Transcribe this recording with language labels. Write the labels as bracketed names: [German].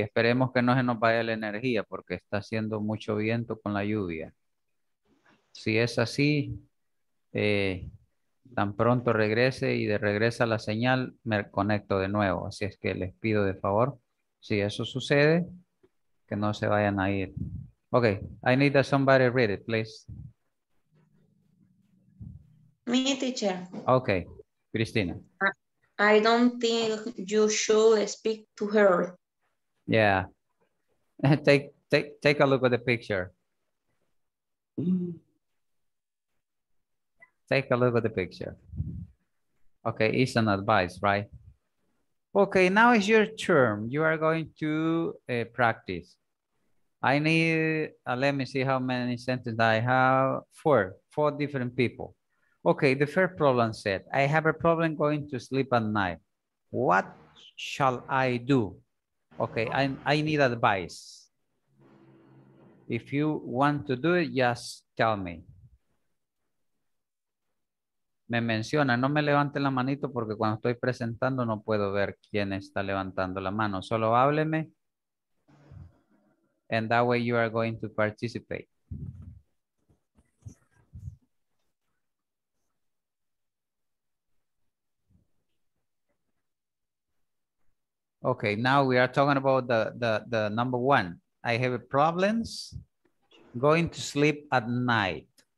[Spanish] Esperemos que no se nos vaya la energía porque está haciendo mucho viento con la lluvia. Si es así, tan pronto regrese y de regresa la señal, me conecto de nuevo. Así es que les pido de favor, si eso sucede, que no se vayan a ir. [English] Okay, I need that somebody read it, please. Me, teacher. Okay, Cristina. I don't think you should speak to her. Yeah. take a look at the picture. Take a look at the picture. Okay, it's an advice, right? Okay, now it's your turn. You are going to practice. I need, let me see how many sentences I have. Four different people. Okay, the first problem said, I have a problem going to sleep at night. What shall I do? Okay, I need advice. If you want to do it, just tell me. [Spanish] Me menciona, no me levante la manito porque cuando estoy presentando no puedo ver quién está levantando la mano. Solo hábleme. [English] And that way you are going to participate. Okay, now we are talking about the number one. I have problems going to sleep at night.